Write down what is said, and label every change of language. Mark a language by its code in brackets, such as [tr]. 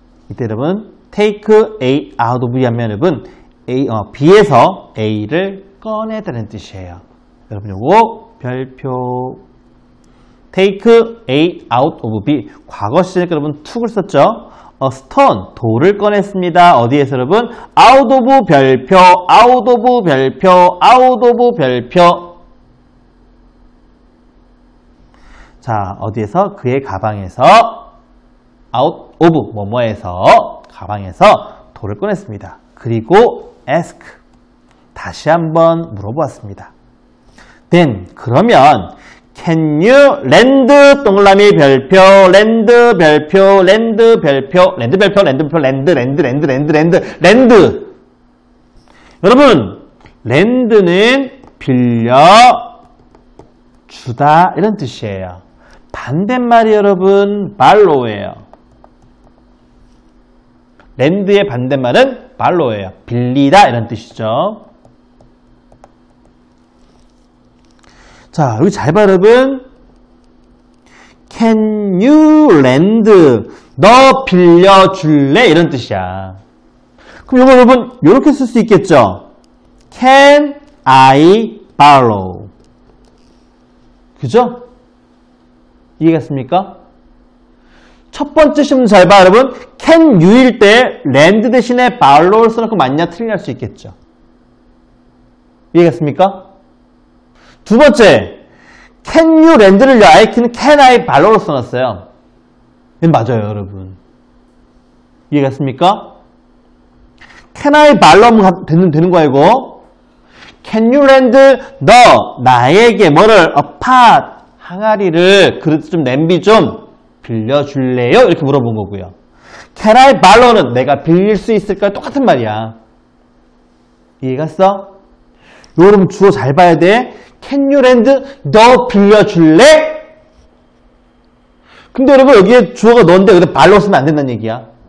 [ko] 이때 여러분, take A out of 하면 여러분, B에서 A를 꺼내다는 뜻이에요. 여러분, 요거, 별표. [en] take A out of B. [ko] 과거 시제니까 여러분, took을 썼죠? A stone, 돌을 꺼냈습니다. 어디에서 여러분? [en] out of 별표, out of 별표, out of 별표. [ko] 자, 어디에서? 그의 가방에서, out of, 뭐뭐에서, 가방에서 돌을 꺼냈습니다. 그리고 ask, 다시 한번 물어보았습니다. [en] then, [ko] 그러면, [en] can you lend 동그라미 별표 lend 별표 lend 별표 lend 별표 lend 별표 lend lend lend lend lend 여러분 [ko] 랜드는 빌려 주다 이런 뜻이에요. 반대말이 여러분 발로예요. 랜드의 반대말은 발로예요. 빌리다 이런 뜻이죠. 자, 여기 잘 봐 여러분. Can you lend? 너 빌려줄래? 이런 뜻이야. 그럼 이거 여러분 이렇게 쓸 수 있겠죠? [en] Can I borrow? [ko] 그죠? 이해했습니까? 첫 번째 시문 잘 봐, 여러분. Can you일 때 lend 대신에 borrow를 써놓고 맞냐 틀리냐 할 수 있겠죠. 이해했습니까? [en] 두 번째, Can you lend를 I can, can I borrow를 써놨어요. [ko] 이건 맞아요, 여러분. 이해했습니까? Can I borrow 되는 거야, 이거. Can you lend 너 나에게 뭐를 a pot 항아리를 그릇 좀 냄비 좀 빌려줄래요? 이렇게 물어본 거고요. Can I borrow는 내가 빌릴 수 있을까요? 똑같은 말이야. 이해갔어? 여러분 주어 잘 봐야 돼. [en] Can you lend [ko] 너 빌려줄래? 근데 여러분 여기에 주어가 너인데 여기다 borrow 쓰면 안 된다는 얘기야.